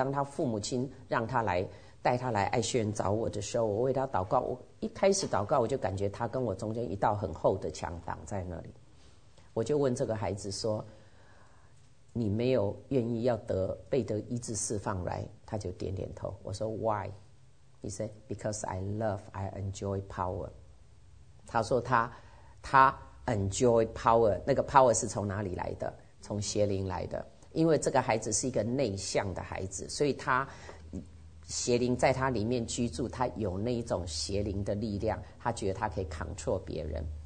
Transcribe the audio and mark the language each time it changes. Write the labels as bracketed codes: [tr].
[zh] 当他父母亲让他来带他来爱学院找我的时候，我为他祷告，我一开始祷告我就感觉他跟我中间一道很厚的墙挡在那里。我就问这个孩子说，你没有愿意要得被得医治释放来？他就点点头。我说 [en] why？ He said because I love I enjoy power。 [zh] 他说他 [en] enjoy power， [zh] 那个 power 是从哪里来的？从邪灵来的。因为这个孩子是一个内向的孩子，所以他邪灵在他里面居住，他有那一种邪灵的力量，他觉得他可以 control 别人。